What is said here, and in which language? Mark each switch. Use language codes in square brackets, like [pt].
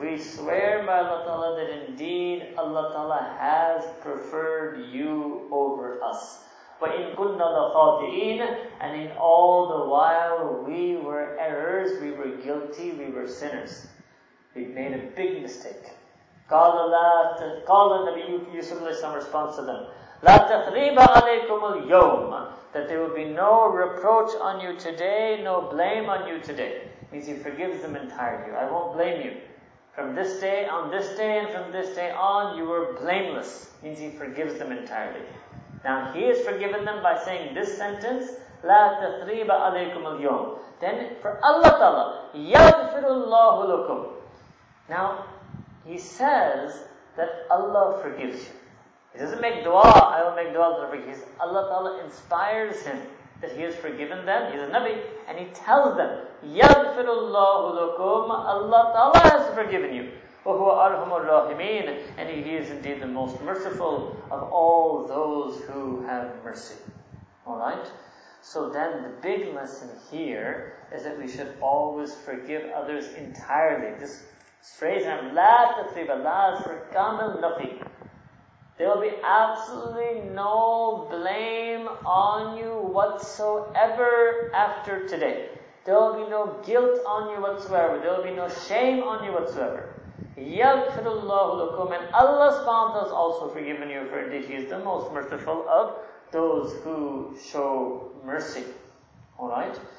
[en] We swear by Allah Ta'ala that indeed Allah Ta'ala has preferred you over us. [ar] وَإِن كُنَّا لَخَاطِئِينَ. [en] And in all the while we were errors, we were guilty, we were sinners. We've made a big mistake. [ar] قَالَ النَّبِي يُسُفُ عَلَيْهِ السَّلَامُ [en] response to them, [ar] لَا تَخْرِيبَ عَلَيْكُمُ الْيَوْمَ. [en] That there will be no reproach on you today, no blame on you today. Means he forgives them entirely. I won't blame you. From this day, on this day, and from this day on, you were blameless. Means he forgives them entirely. Now he has forgiven them by saying this sentence, [ar] لَا تَثْرِيبَ عَلَيْكُمُ الْيَوْمِ. [en] Then for Allah Ta'ala, [ar] يَغْفِرُ اللَّهُ لَكُمْ. [en] Now, he says that Allah forgives you. He doesn't make dua, I will make dua, Allah Ta'ala inspires him that he has forgiven them, he's a Nabi, and he tells them, [ar] يَغْفِرُ اللَّهُ لَكُمْ. [en] Allah Ta'ala has forgiven you. [ar] وَهُوَ أَرْحَمُ الرَّاحِمِينَ. [en] And he is indeed the most merciful of all those who have mercy. Alright? So then the big lesson here is that we should always forgive others entirely. This phrase, [ar] لَا تَثْرِيبَ لَا تَثْرِيبَ لَا تَثْرِيبَ. [en] There will be absolutely no blame on you whatsoever after today. There will be no guilt on you whatsoever. There will be no shame on you whatsoever. [ar] يَغْفِرُ اللَّهُ لَكُمْ. [en] And Allah SWT has also forgiven you, for indeed He is the most merciful of those who show mercy. Alright?